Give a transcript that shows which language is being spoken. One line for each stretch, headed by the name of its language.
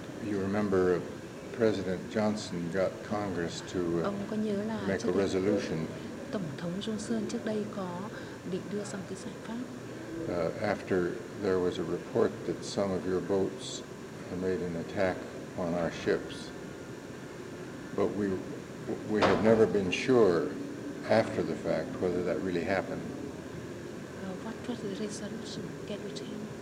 English: You remember President Johnson got Congress to make a resolution.
Vietnamese: Tổng thống Johnson trước đây có định đưa ra một cái giải pháp.
English: After there was a report that some of your boats had made an attack on our ships, but we have never been sure after the fact whether that really happened. What was the resolution? Get it in.